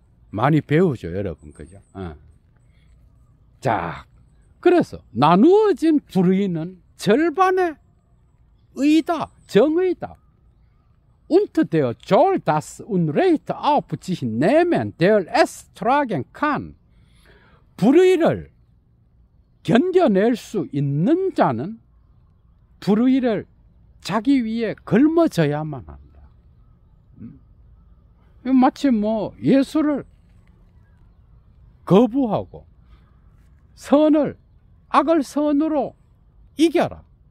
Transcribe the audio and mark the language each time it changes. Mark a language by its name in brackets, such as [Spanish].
[Korean] 많이 배우죠, 여러분. 그죠? 자, 그래서 나누어진 불의는 절반의 의다, 정의다. [German] Und der soll das und recht auf sich nehmen, der es tragen kann. [Korean] 불의를 견뎌낼 수 있는 자는 불의를 자기 위에 걸머져야만 한다. 마치 뭐 예수를 거부하고 선을, 악을 선으로 이겨라.